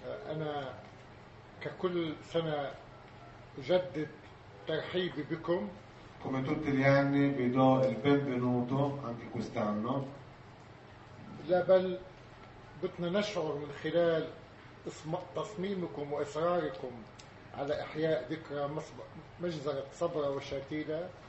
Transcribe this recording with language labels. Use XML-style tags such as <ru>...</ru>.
<ar>انا ككل سنه اجدد ترحيبي بكم.</ar> <it>Come tutti gli anni vi do il benvenuto anche quest'anno.</it> <ar>لا بل بدنا نشعر من خلال تصميمكم واصراركم على احياء ذكرى مجزره صبرا وشاتيلا.</ar>